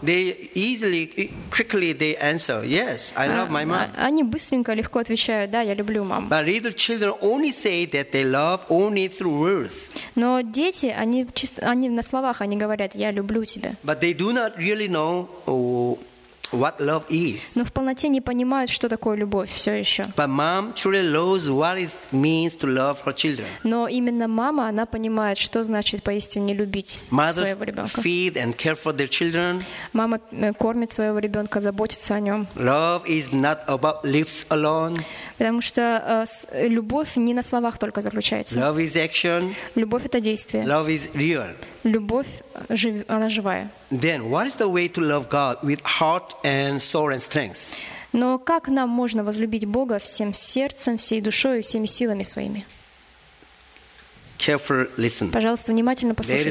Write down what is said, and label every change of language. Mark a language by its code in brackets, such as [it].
[en] They easily, quickly they answer, "Yes, I love my mom." [ru] Они быстренько, легко отвечают, да, я люблю маму. [en] But little children only say that they love only through words. [ru] Но дети, они чисто, они на словах, они говорят, я люблю тебя. [en] But they do not really know what love is. [ru] Но в полноте не понимают, что такое любовь все еще. [en] But mom truly loves what it means to love her children. [ru] Но именно мама, она понимает, что значит поистине любить [en] Mothers [ru] своего ребенка. [en] Mothers feed and care for their children. [ru] Мама кормит своего ребенка, заботится о нем. [en] Love is not about lips alone. [ru] Потому что любовь не на словах только заключается. [en] Love is action. [ru] Любовь — это действие. [en] Love is real. [ru] Любовь, она живая. [en] Then, what is the way to love God with heart and soul and strength? [ru] Но как нам можно возлюбить Бога всем сердцем, всей душой, всеми силами своими? [en] Careful listen. [ru] Пожалуйста, внимательно послушайте.